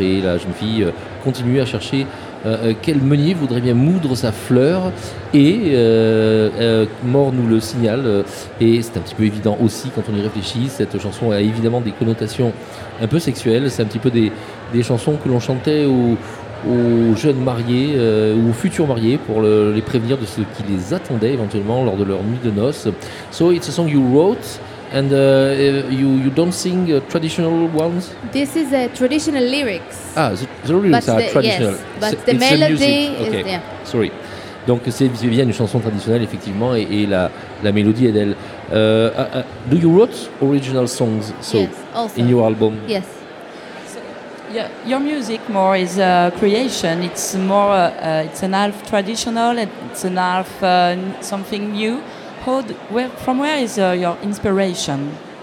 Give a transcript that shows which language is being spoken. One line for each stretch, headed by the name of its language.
French: Et la jeune fille continue à chercher quel meunier voudrait bien moudre sa fleur, et Mort nous le signale, et c'est un petit peu évident aussi quand on y réfléchit, cette chanson a évidemment des connotations un peu sexuelles, c'est un petit peu des chansons que l'on chantait aux jeunes mariés ou aux futurs mariés pour les prévenir de ce qui les attendait éventuellement lors de leur nuit de noces.
English: So it's a song you wrote and you don't sing traditional ones? This is a traditional lyrics. Ah, the lyrics are traditional. Yes, but the melody is... Okay, sorry.
French: Donc c'est bien une chanson traditionnelle effectivement et la mélodie est d'elle.
English: Do you write original songs in your album? Yes. Yeah, your music more is a creation. It's more, it's an half traditional, it's an half something new. From where is your inspiration?